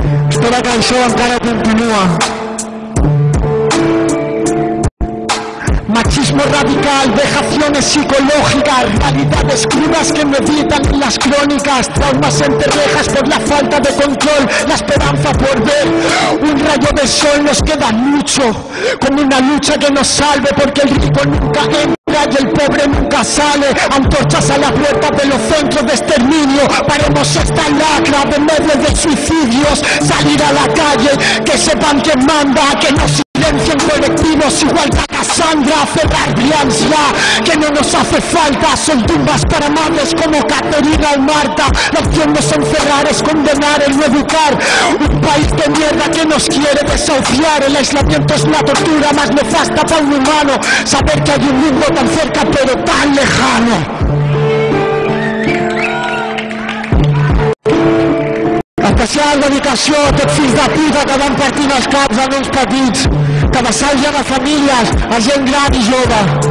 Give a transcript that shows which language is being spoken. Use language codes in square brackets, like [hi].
[ca] Espera que això encara continua. [es] Machismo radical, vejaciones psicológicas, realidades crudas que meditan en las crónicas, traumas entre rejas por la falta de control, la esperanza por ver un rayo de sol. Nos queda mucho, como una lucha que nos salve, porque el rico nunca entra y el pobre nunca sale. Antorchas a la puerta de los centros de exterminio, paremos esta lacra de medios de suicidios. Salir a la calle, que sepan quién manda, que no silencien colectivos, igual que a Cassandra. Cerrar mi ansia, que no nos hace falta, son tumbas para madres como Caterina o Marta. La opción no es encerrar, es condenar el no educar. Un país de mierda que nos quiere desahuciar. El aislamiento es la tortura más nefasta para un humano, saber que hay un mundo tan cerca pero tan lejano. [ca] Especial dedicació a aquests fills de puta que van partint els caps a nens petits, que assalten a famílies, a gent gran i jove.